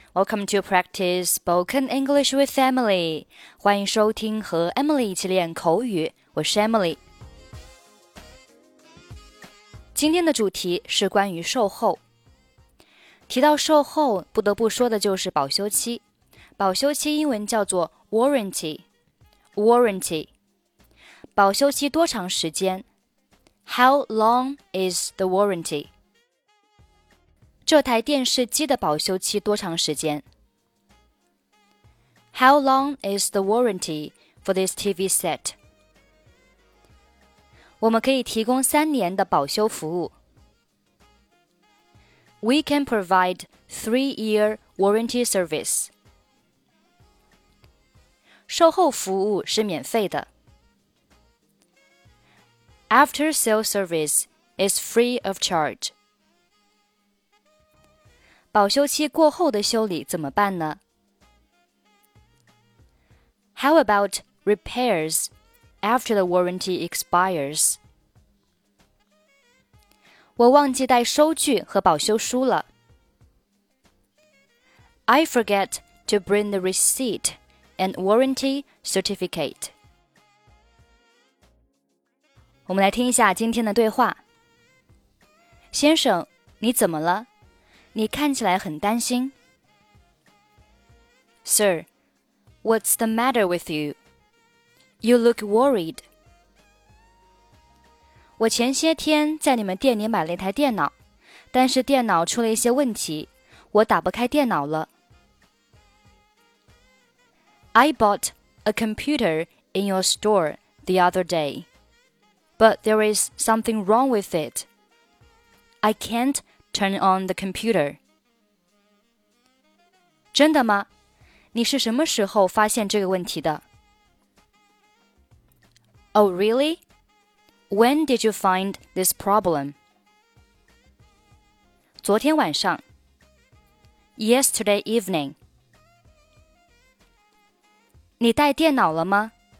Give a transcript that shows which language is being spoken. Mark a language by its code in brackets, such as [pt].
[en] Welcome to Practice Spoken English with Emily. [zh] 欢迎收听和 Emily 一起练口语。我是 Emily。今天的主题是关于售后。提到售后，不得不说的就是保修期。保修期英文叫做 warranty。 [en] warranty。 [zh] 保修期多长时间 [en] ?How long is the warranty? [zh] 这台电视机的保修期多长时间 [en] ?How long is the warranty for this TV set? [zh] 我们可以提供三年的保修服务。 [en] We can provide 3-year warranty service. [zh] 售后服务是免费的。 [en] After sale service is free of charge. [zh] 保修期过后的修理怎么办呢? [en] How about repairs after the warranty expires? [zh] 我忘记带收据和保修书了。 [en] I forget to bring the receipt and warranty certificate. [zh] 我们来听一下今天的对话。先生，你怎么了?你看起来很担心。 [en] Sir, what's the matter with you? You look worried. [zh] 我前些天在你们店里买了一台电脑，但是电脑出了一些问题，我打不开电脑了。 [en] I bought a computer in your store the other day, but there is something wrong with it. I can't turn on the computer. [zh] 真的吗？你是什么时候发现这个问题的 [en] ?Oh, really? When did you find this problem? [zh] 昨天晚上。 [en] Yesterday evening. [zh] 你带电脑了吗